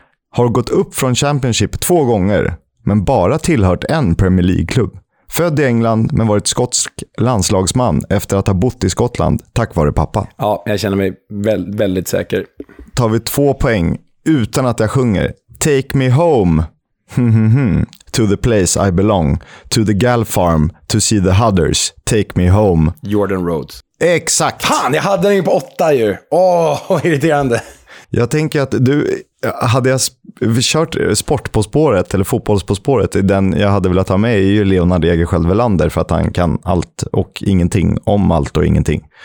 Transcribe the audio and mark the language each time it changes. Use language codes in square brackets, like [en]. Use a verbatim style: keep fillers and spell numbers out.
[sv] Har gått upp från Championship två gånger, men bara tillhört en Premier League-klubb. Född i England, men varit skotsk landslagsman efter att ha bott i Skottland, tack vare pappa. Ja, jag känner mig väldigt, väldigt säker. Tar vi två poäng, utan att jag sjunger. [en] Take me home. To the place I belong, to the Gal Farm, to see the Hudders, take me home. [sv] Jordan Rhodes. Exakt. Fan, jag hade den ju på åtta ju. Åh, oh, irriterande. Jag tänker att du, hade jag kört sport på spåret eller fotbolls på spåret, den jag hade velat ha med är ju Leonard Egerskiöld Welander för att han kan allt och ingenting om allt och ingenting.